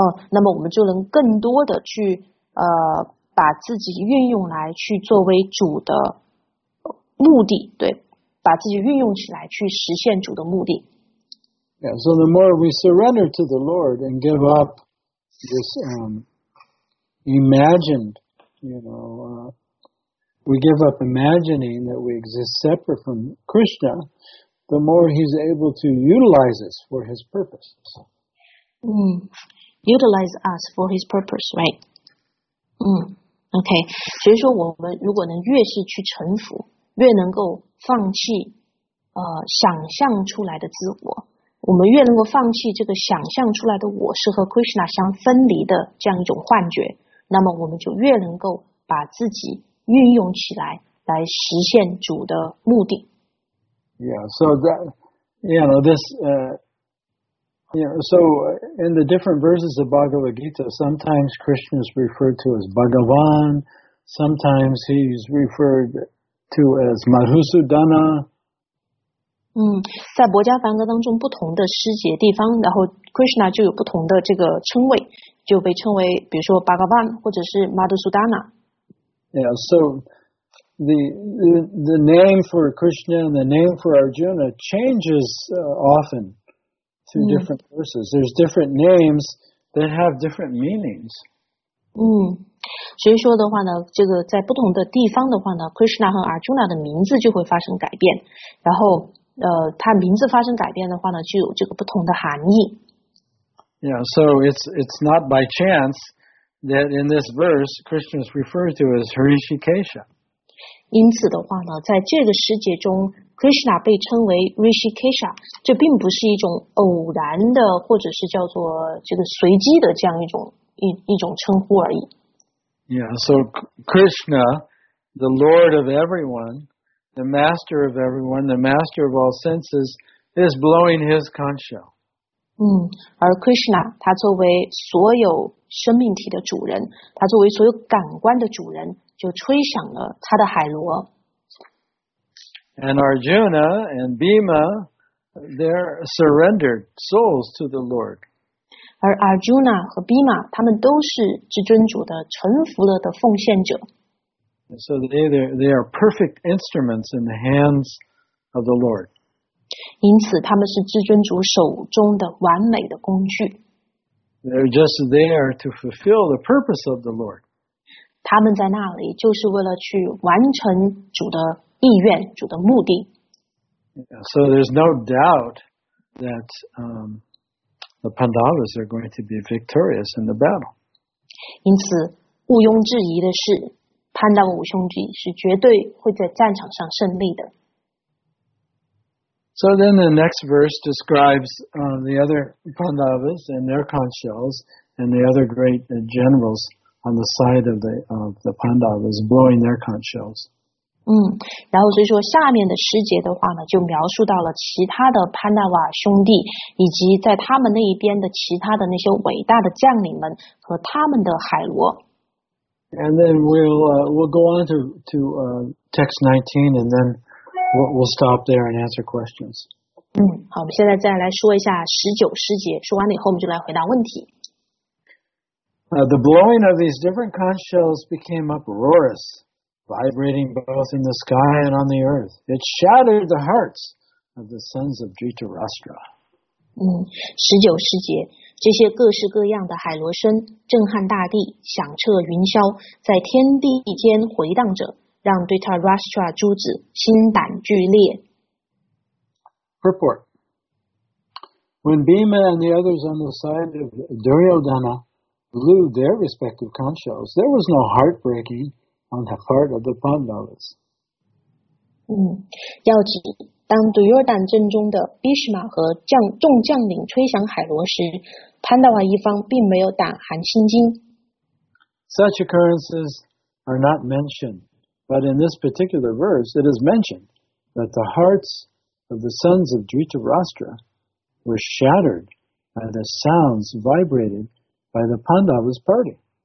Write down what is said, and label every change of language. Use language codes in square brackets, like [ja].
[zh] 那么我们就能更多的去把自己运用来去作为主的目的，对，把自己运用起来去实现主的目的。 [en] Yeah, so the more we surrender to the Lord and give up this imagined, you know, we give up imagining that we exist separate from Krishna, the more he's able to utilize us for his purpose. Utilize us for his purpose, right? [zh] Okay, 所以说我们如果能越是去臣服，越能够放弃想象出来的自我，我们越能够放弃这个想象出来的我是和 Krishna 相分离的这样一种幻觉，那么我们就越能够把自己运用起来，来实现主的目的。 [en] Yeah, so that, you know, this, you know, so in the different verses of Bhagavad Gita, sometimes Krishna is referred to as Bhagavan, sometimes he's referred to as Madhusudana. [zh] 在博迦梵歌当中不同的诗节地方，然后 Krishna 就有不同的这个称谓，就被称为比如说 Bhagavan 或者是 Madhusudana。 [en] Yeah, so the name for Krishna and the name for Arjuna changes often through different verses. There's different names that have different meanings. [zh] 所以说的话呢，这个在不同的地方的话呢 ，Krishna 和 Arjuna 的名字就会发生改变。然后，他名字发生改变的话呢，就有这个不同的含义。 [en] Yeah, so it's not by chance. That in this verse, Krishna is referred to as Hrishikesha. [zh] 因此的话呢，在这个诗节中 ，Krishna 被称为 Hrishikesha， 这并不是一种偶然的，或者是叫做这个随机的这样一种称呼而已。 [en] Yeah, so Krishna, the Lord of everyone, the Master of everyone, the Master of all senses, is blowing his conch shell. [zh] 而 Krishna 他作为所有生命体的主人，他作为所有感官的主人，就吹响了他的海螺。 [en] And Arjuna and Bhima, they're surrendered souls to the Lord. [zh] 而 Arjuna 和 Bhima, 他们都是至尊主的臣服了的奉献者。 [en] So they are perfect instruments in the hands of the Lord. [zh] 因此他们是至尊主手中的完美的工具。 [en] They're just there to fulfill the purpose of the Lord. [zh] 他们在那里就是为了去完成主的意愿，主的目的。 [en] Yeah, so there's no doubt that the Pandavas are going to be victorious in the battle. [zh] 因此毋庸置疑的是，潘达五兄弟是绝对会在战场上胜利的。 [en] So then the next verse describes the other Pandavas and their conch shells and the other great generals on the side of the Pandavas blowing their conch shells. [zh] 然后所以说下面的诗节的话呢，就描述到了其他的潘达瓦兄弟以及在他们那一边的其他的那些伟大的将领们和他们的海螺。 [en] And then we'll go on to text 19 and then We'll stop there and answer questions. [zh] 好，我们现在再来说一下十九诗节。说完了以后，我们就来回答问题。 [en] The blowing of these different conch shells became uproarious, vibrating both in the sky and on the earth. It shattered the hearts of the sons of Dhritarashtra. [zh] 十九诗节，这些各式各样的海螺声震撼大地，响彻云霄，在天地间回荡着。让 Dhritarashtra 诸子心胆俱裂。 [en] Purport. When Bhima and the others on the side of Duryodhana blew their respective conch shells, there was no heartbreaking on the part of the Pandavas. [zh] 要知，当 Duryodhana 阵中的 Bhishma 和众将领吹响海螺时， Pandava 一方并没有胆寒心惊。 [en] Such occurrences are not mentioned. But in this particular verse, it is mentioned that the hearts of the sons of Dhritarashtra were shattered by the sounds vibrated by the Pandavas' party.